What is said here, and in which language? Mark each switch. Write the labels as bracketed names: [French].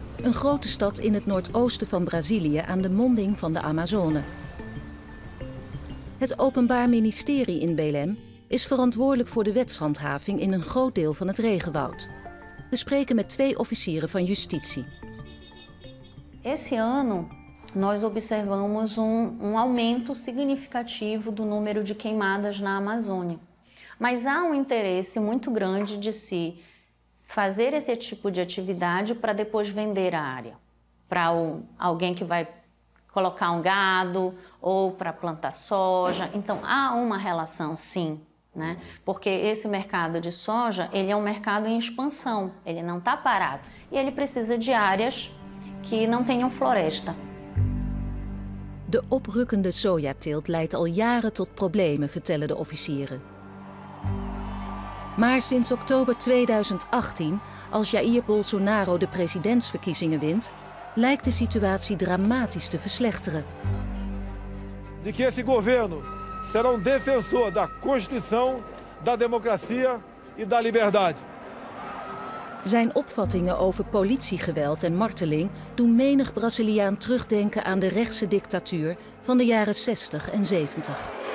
[Dutch] een grote stad in het noordoosten van Brazilië aan de monding van de Amazone. Het Openbaar Ministerie in Belém is verantwoordelijk voor de wetshandhaving in een groot deel van het regenwoud. We spreken met twee officieren van justitie. [Portuguese] Esse ano nós observamos um aumento significativo do número de queimadas na Amazônia. Mas há um interesse muito grande de se fazer esse tipo de atividade para depois vender a área para alguém que vai colocar um gado ou para plantar soja. Então há uma relação, sim, né? Porque esse mercado de soja, ele é um mercado em expansão, ele não está parado e ele precisa de áreas que não tenham floresta. [Dutch] De oprukkende sojateelt leidt al jaren tot problemen, vertellen de officieren. Maar sinds oktober 2018, als Jair Bolsonaro de presidentsverkiezingen wint, lijkt de situatie dramatisch te verslechteren. [Portuguese] De que esse governo será um defensor da Constituição, da democracia e da liberdade. [Dutch] Zijn opvattingen over politiegeweld en marteling doen menig Braziliaan terugdenken aan de rechtse dictatuur van de jaren 60 en 70.